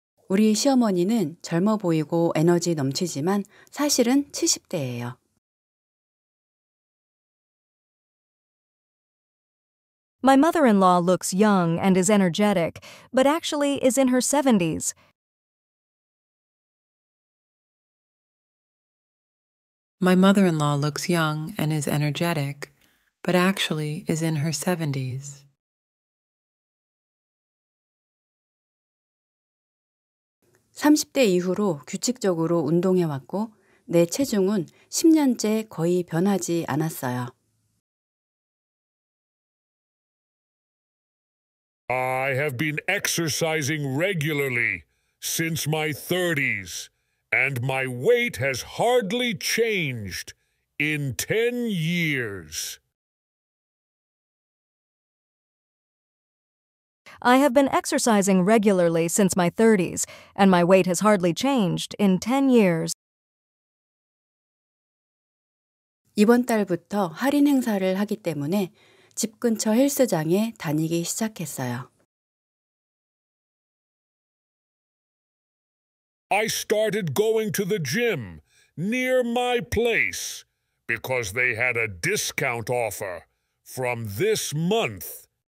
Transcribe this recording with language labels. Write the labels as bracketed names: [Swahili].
[English] Our [Korean] 시어머니는 젊어 보이고 에너지 넘치지만 사실은 70대예요. [English] My mother-in-law looks young and is energetic, but actually is in her 70s. My mother-in-law looks young and is energetic, but actually is in her 70s. I have been exercising regularly since my 30s, and my weight has hardly changed in 10 years. I have been exercising regularly since my 30s, and my weight has hardly changed in 10 years. [Korean] 이번 달부터 할인 행사를 하기 때문에 집 근처 헬스장에 다니기 시작했어요. [English] I started going to the gym near my place because they had a discount offer from this month.